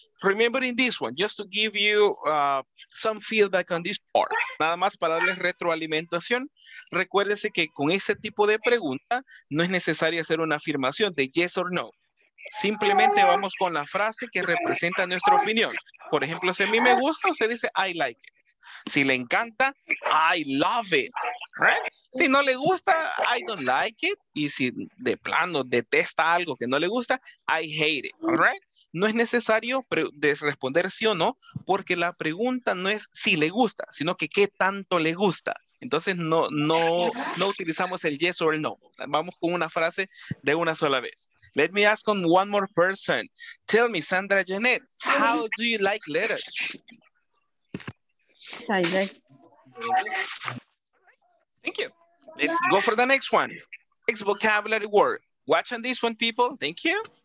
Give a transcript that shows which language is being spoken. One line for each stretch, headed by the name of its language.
English: Remembering this one, just to give you some feedback on this part.
Spanish: Nada más para darles retroalimentación. Recuérdese que con este tipo de pregunta no es necesario hacer una afirmación de
English: yes or no.
Spanish: Simplemente vamos con la frase que representa nuestra opinión. Por ejemplo, si a mí me gusta, usted dice
English: I like it.
Spanish: Si le encanta,
English: I love it. Right?
Spanish: Si no le gusta,
English: I don't like it.
Spanish: Y si de plano detesta algo que no le gusta,
English: I hate it. Right?
Spanish: No es necesario responder sí o no, porque la pregunta no es si le gusta, sino que qué tanto le gusta. Entonces no utilizamos el yes or el no. Vamos con una frase de una sola vez.
English: Let me ask on one more person. Tell me, Sandra Janet, how do you like letters? Thank you. Let's go for the next one. Next vocabulary word. Watch on this one, people. Thank you.